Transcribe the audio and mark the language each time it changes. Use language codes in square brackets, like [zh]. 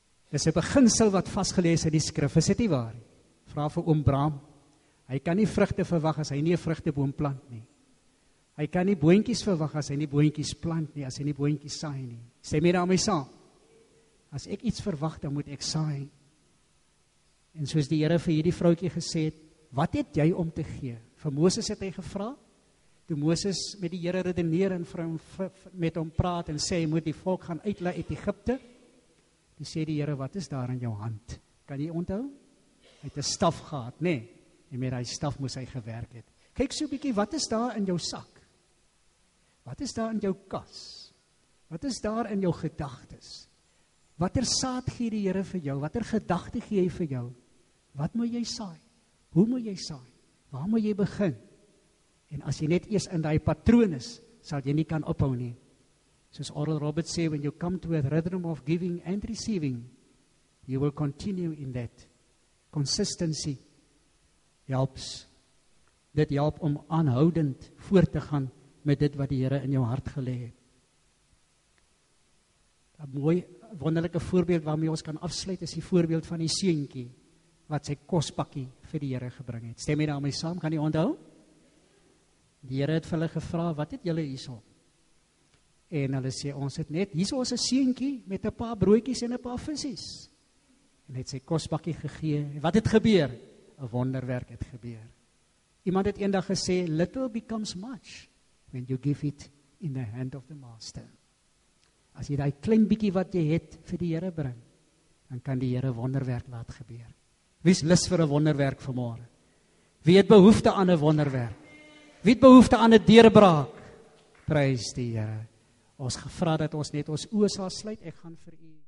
[af] Dis 'n beginsel wat vastgelees in die skrif, is dit nie waar? Vra vir oom Bram, hy kan nie vrugte verwag as hy nie 'n vrugteboom plant nie. Hy kan nie boontjies verwag as hy nie boontjies plant nie, as hy nie boontjies saai nie. Stem jy daarmee saam? As ek iets verwag, dan moet ek saai. En soos die Here vir hierdie vrouwtjie gesê het, wat het jy om te gee? Vir Moses het hy gevra, toe Moses met die Here redeneer en met hom praat en sê, hy moet die volk gaan uitlei uit Egypte, toe sê die Here, wat is daar in jou hand? Kan jy onthou? Hy het 'n staf gehad, nee, en met die staf moes hy gewerk het. Kyk so bietjie, wat is daar in jou sak? Wat is daar in jou kas? Wat is daar in jou gedagtes? Wat saad gee die Here vir jou? Wat gedagte gee hy vir jou? Wat moet jy saai? Hoe moet jy saai? Waar moet jy begin? En as jy net eers in die patroon is, sal jy nie kan ophou nie. Soos Oral Roberts sê, [en] when you come to a rhythm of giving and receiving, you will continue in that. Consistency helps. [af] Dit help om aanhoudend voort te gaan met dit wat die Here in jou hart gelê het. Een mooi, wonderlijke voorbeeld waarmee ons kan afsluit, is die voorbeeld van die seentjie, wat sy kospakkie vir die Here gebring het. Stem jy daarmee saam, kan jy onthou? Die Here het vir hulle gevra, wat het julle hierso? En hulle sê, ons het net, hierso is een seentjie, met een paar broodjies en een paar visies. En het sy kospakkie gegee, en wat het gebeur? Een wonderwerk het gebeur. Iemand het eendag gesê, [en] little becomes much, when you give it in the hand of the master. [af] As jy die klein bykie wat jy het vir die Here bring, dan kan die Here wonderwerk laat gebeur. Wie is lus vir een wonderwerk vanmorgen? Wie het behoefte aan een wonderwerk? Wie het behoefte aan een deurbraak? Prys die Here. Ons gevra dat ons net ons oë sal sluit. Ek gaan vir u.